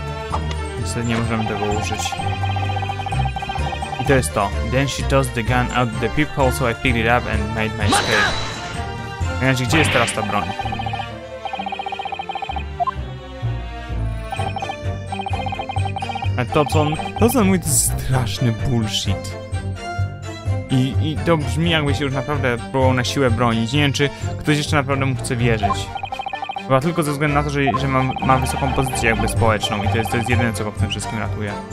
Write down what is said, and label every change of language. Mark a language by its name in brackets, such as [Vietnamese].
[Polish] Właśnie. Niestety nie możemy tego użyć. I to jest to. [English] Then she tossed the gun out the peephole, so I picked it up and made my escape. [Polish] Znaczy, gdzie jest teraz ta broń? A to co on mówi, to jest straszny bullshit. I to brzmi, jakby się już naprawdę próbował na siłę bronić. Nie wiem, czy ktoś jeszcze naprawdę mu chce wierzyć. Chyba tylko ze względu na to, że ma wysoką pozycję jakby społeczną i to jest jedyne, co go w tym wszystkim ratuje.